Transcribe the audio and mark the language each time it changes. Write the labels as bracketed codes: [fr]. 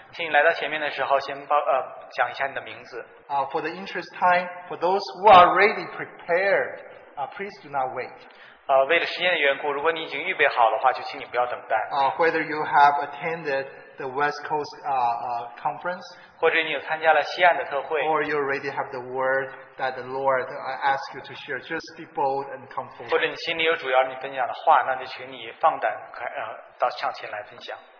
[zh] 请你来到前面的时候， 先讲一下你的名字。 [en] For the interest time, for those who are already prepared, please do not wait. [zh] 为了时间的缘故, 如果你已经预备好的话, 就请你不要等待。 [en] Whether you have attended the West Coast conference, [zh] 或者你有参加了西岸的特会, [en] or you already have the word that the Lord asks you to share, just be bold and come forward. [zh] 或者你心里有主要你分享的话, 那就请你放胆, 到向前来分享。